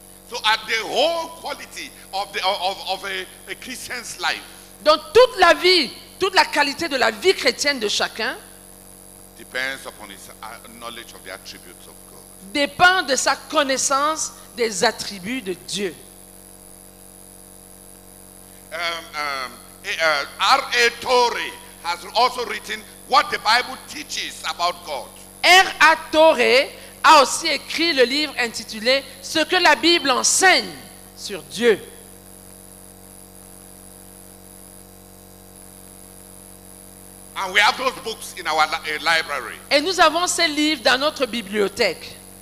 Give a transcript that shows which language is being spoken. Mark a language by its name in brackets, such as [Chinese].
[English] So at the whole quality of a Christian's life. [French] Donc toute la vie, toute la qualité de la vie chrétienne de chacun. [English] Depends upon his knowledge of the attributes of God. [French] Dépend de sa connaissance des attributs de Dieu. [English] R.A. Torrey has also written what the Bible teaches about God. [French] R.A. Torrey a aussi écrit le livre intitulé « Ce que la Bible enseigne sur Dieu ». [English] And we have those books in our library. [French] Et nous avons ces livres dans notre bibliothèque.